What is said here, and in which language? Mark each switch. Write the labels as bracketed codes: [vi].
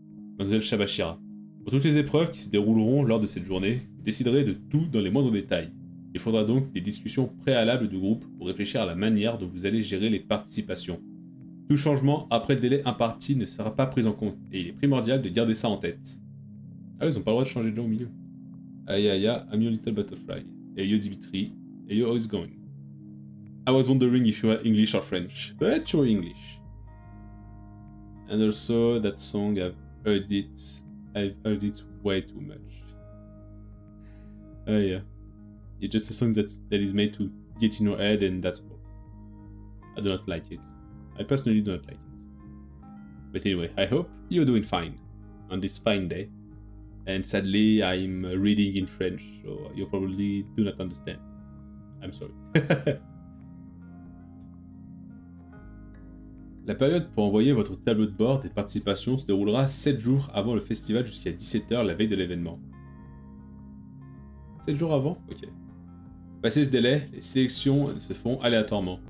[fr] Mademoiselle Shabashira, pour toutes les épreuves qui se dérouleront lors de cette journée, vous déciderez de tout dans les moindres détails. Il faudra donc des discussions préalables du groupe pour réfléchir à la manière dont vous allez gérer les participations. Tout changement après le délai imparti ne sera pas pris en compte et il est primordial de garder ça en tête. Ah, ils n'ont pas le droit de changer de gens au milieu. [en] Aïe aïe aïe, I'm your little butterfly. Hey yo Dimitri, hey yo, how is going? I was wondering if you were English or French, but you're English. And also, that song, I've heard it way too much. Yeah. It's just a song that is made to get in your head, and that's all. I do not like it. I personally do not like it. But anyway, I hope you're doing fine on this fine day. And sadly, I'm reading in French, so you probably do not understand. I'm sorry. [fr] La période pour envoyer votre tableau de bord des participations se déroulera 7 jours avant le festival jusqu'à 17h la veille de l'événement. 7 jours avant? Ok. Passé ce délai, les sélections se font aléatoirement.